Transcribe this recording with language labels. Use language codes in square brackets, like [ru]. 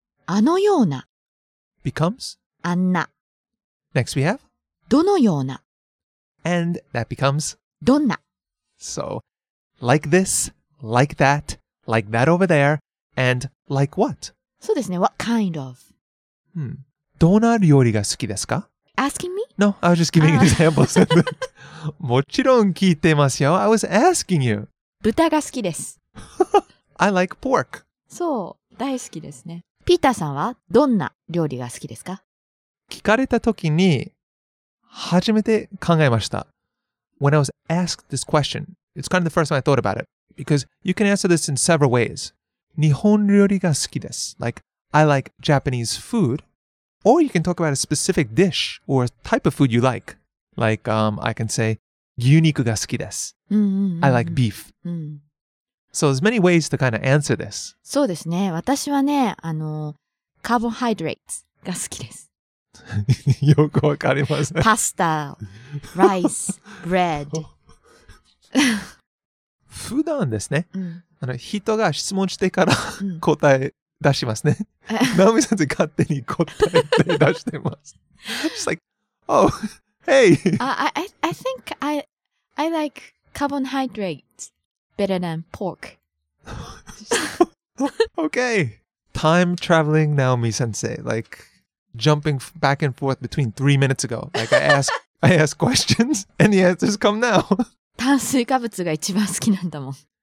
[ja] あのような [en] becomes [ja] あんな。 [en] Next we have [ja] どのような [en] and that becomes [ja] どんな。 [en] So, like this, like that over there, and like what? [ja] そうですね、 [en] what kind of? [ja] どんな料理が好きですか? [en] Asking me? No, I was just giving an example. [ja] もちろん聞いてますよ。 [en] I was asking you. [ja] 豚が好きです。 [en] I like pork. [ja] そう、大好きですね。ピーターさんはどんな料理が好きですか? 聞かれた時に初めて考えました。 [en] When I was asked this question, it's kind of the first time I thought about it. because you can answer this in several ways. [ja] 日本料理が好きです。 [en] Like, I like Japanese food. Or you can talk about a specific dish or type of food you like. Like, I can say, [ja] 牛肉が好きです。 Mm-hmm. [en] I like beef. Mm-hmm. So there's many ways to kind of answer this. [ja] そうですね。私はね、carbohydrates が好きです。よくわかりますね。パスタ、ライス、ブレッド。普段ですね、うん、人が質問してから答え出しますね。ナオミ先生勝手に答えて出してます。 [en] She's like, oh, hey! I think I like carbohydrates better than pork. Okay! Time traveling Naomi sensei, like jumping back and forth between 3 minutes ago. Like I ask questions and the answers come now. [ja] 炭水化物が一番好きなんだもん。